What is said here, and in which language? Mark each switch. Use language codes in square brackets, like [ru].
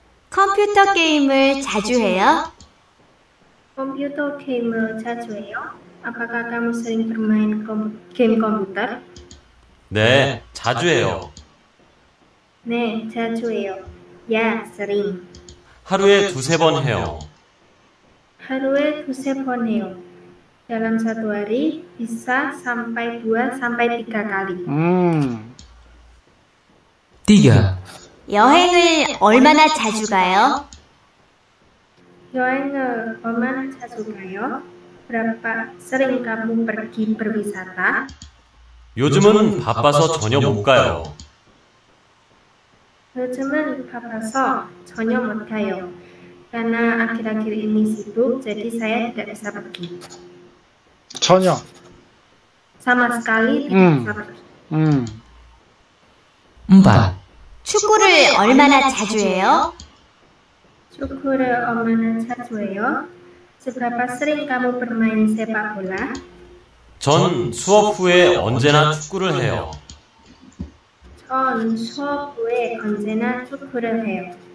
[ko] 컴퓨터 게임을 자주 해요? 컴퓨터 게임을 자주 해요? [id] Apakah kamu sering bermain game komputer? [ko] 네, 자주 해요. 네, 자주 해요. [id] Ya, sering. [ko] 하루에 두세 번 해요. 하루에 두세 번 해요. [id] Dalam satu hari bisa sampai dua sampai tiga kali. [ko] 3. 여행을 얼마나 자주 가요? 여행을 얼마나 자주 가요? [id] Berapa sering kamu pergi berwisata? [ko] 요즘은 바빠서 전혀 못 가요. 요즘은 바빠서 전혀 못 가요. [id] Karena akhir-akhir ini sibuk, jadi saya tidak bisa pergi. [ko] 전혀. [id] Sama sekali tidak bisa pergi. [ko] 4. 축구를 얼마나 자주 해요? 축구를 얼마나 자주 해요? [id] Seberapa sering kamu bermain sepak bola? [ko] 전 수업 후에 언제나 축구를 해요. 전 수업 후에 언제나 축구를 해요.